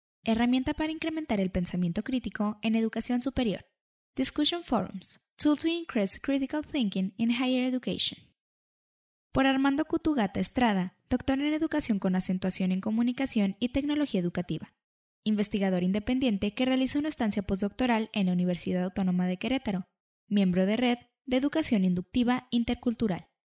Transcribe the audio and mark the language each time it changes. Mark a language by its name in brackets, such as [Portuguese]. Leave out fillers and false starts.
[Spanish] Herramienta para incrementar el pensamiento crítico en educación superior. [English] Discussion Forums. Tool to increase critical thinking in higher education. [Spanish] Por Armando Cutugata Estrada, doctor en educación con acentuación en comunicación y tecnología educativa. Investigador independiente que realizó una estancia postdoctoral en la Universidad Autónoma de Querétaro. Miembro de Red de Educación Inductiva Intercultural.